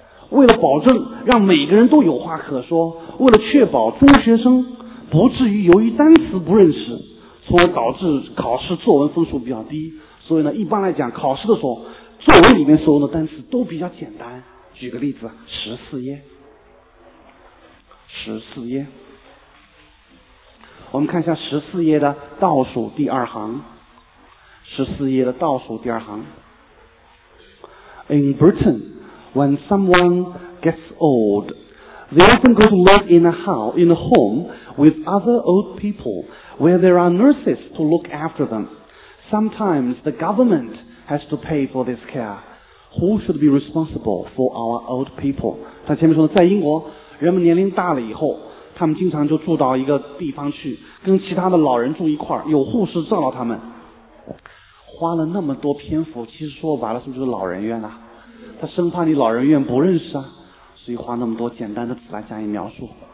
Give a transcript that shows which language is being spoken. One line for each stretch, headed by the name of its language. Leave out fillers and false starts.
Chinese: 为了保证让每个人都有话可说，为了确保中学生不至于由于单词不认识，从而导致考试作文分数比较低，所以呢，一般来讲，考试的时候，作文里面所用的单词都比较简单。举个例子，十四页，十四页，我们看一下十四页的倒数第二行，十四页的倒数第二行。
English: In Britain, when someone gets old, they often go to live in a home with other old people, where there are nurses to look after them. Sometimes the government has to pay for this care. Who should be responsible for our old people?
Chinese: 他前面说的，在英国，人们年龄大了以后，他们经常就住到一个地方去，跟其他的老人住一块，有护士照料他们。花了那么多篇幅，其实说白了是不是老人院啊？他生怕你老人院不认识啊，所以花那么多简单的词来加以描述。